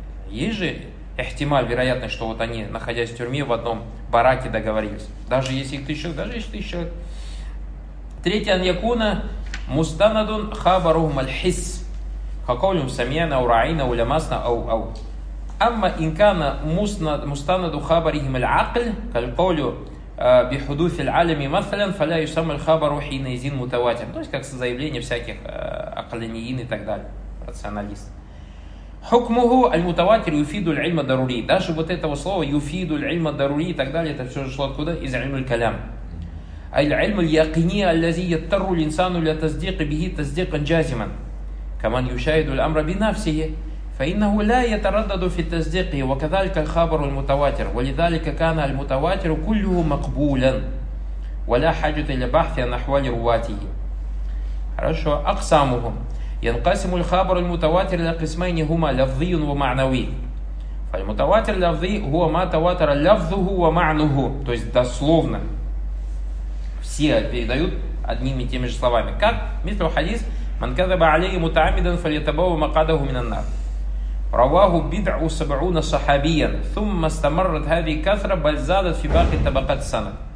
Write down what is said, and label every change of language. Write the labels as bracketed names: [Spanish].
[Russian] Есть же эхтималь, вероятность, что вот они, находясь в тюрьме, в одном бараке договорились. Даже если их 1000 человек, даже если 1000 человек. Третий [Arabic] аньякуна, мустанадун хабарухм альхис. Хаковлюм самьяна, ураина, улямасна, ау-ау. أما إن كان مستند خبرهم العقل كالقول بحدوث العالم مثلا فلا يسمى الخبر حينئذ متواترا. [Russian] То есть как заявление всяких عقلانيين и так далее, рационалист. [Arabic] حكمه المتواتر يفيد العلم الضروري. [Russian] Даже вот этого слова [Arabic] يفيد العلم الضروري [Russian] и так далее, это все же шло откуда? Из [Arabic] علم الكلام. العلم اليقيني الذي يضطر الإنسان لتصديق به تصديقا جازما كمن يشاهد الأمر بنفسه فإنه لا يتردد في التصديق وكذلك الخبر المتواتر ولذلك كان المتواتر كله مقبولا ولا حاجة لبحث عن أحوال رواته. [Russian] Хорошо. [Arabic] أقسامهم ينقسم الخبر المتواتر إلى قسمين هما لفظي ومعنوي. فالمتواتر لفظي هو ما تواتر لفظه ومعنه. [Russian] То есть дословно. Все передают одними и теми же словами. Как? [Arabic] مثل حديث من كذب عليه متعمدا فليتبوأ مقعده من النار. رواه بدع سبعون صحابيا ثم استمرت هذه الكثرة بل زادت في باقي طبقات السنة.